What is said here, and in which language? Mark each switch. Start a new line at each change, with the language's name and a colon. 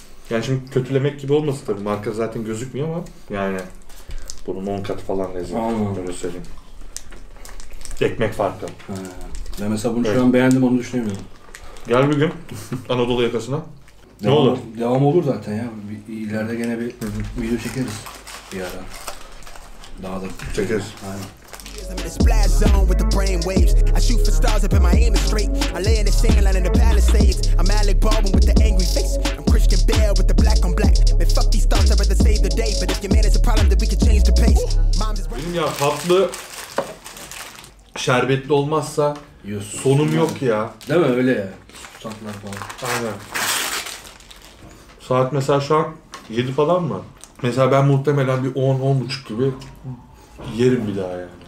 Turkish: Yani şimdi kötülemek gibi olmasın tabii. Marka zaten gözükmüyor ama yani bunun 10 katı falan lezzetli. Öyle söyleyeyim. Ekmek farkı. Ben mesela bunu şu an beğendim onu düşünemiyorum. Gel bir gün Anadolu yakasına. Ne devam, olur? Devam olur zaten ya. İleride gene bir video çekeriz bir ara. Daha da çekeriz. Aynen.
English: I'm in a splash zone with the brain waves. I shoot for stars up in my aim is straight. I lay in the sand line in the Palisades. I'm Alec Baldwin with the angry face. I'm Christian Bale with the black on black. Man fuck these thoughts, I'd rather save the day. But if your man is a problem then we can change the pace. Mom is running.
Turkish: Ya tatlı şerbetli olmazsa yiyorsun. Sonum yok ya. Değil mi öyle ya? Tatlılar falan. Aynen. Saat mesela şu an 7 falan mı? Mesela ben muhtemelen bir 10-10.30 gibi yerim bir daha yani.